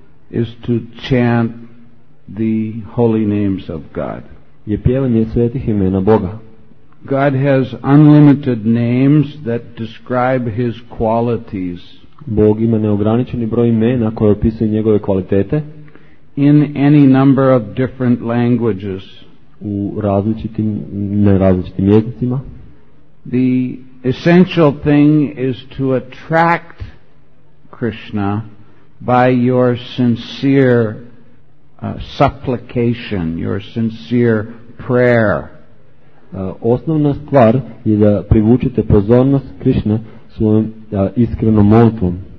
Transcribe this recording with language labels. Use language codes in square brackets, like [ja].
[en] is to chant the holy names of God, [hr] je pjevanje svetih imena Boga. [en] God has unlimited names that describe his qualities. [hr] Bog ima neograničeni broj imena koje opisuju njegove kvalitete. [en] In any number of different languages. [hr] U različitim, ne različitim jezicima. [en] The essential thing is to attract Krishna by your sincere supplication, your sincere prayer. [hr] Osnovna stvar je da privučete pozornost Krishne svojom iskrenom molitvom.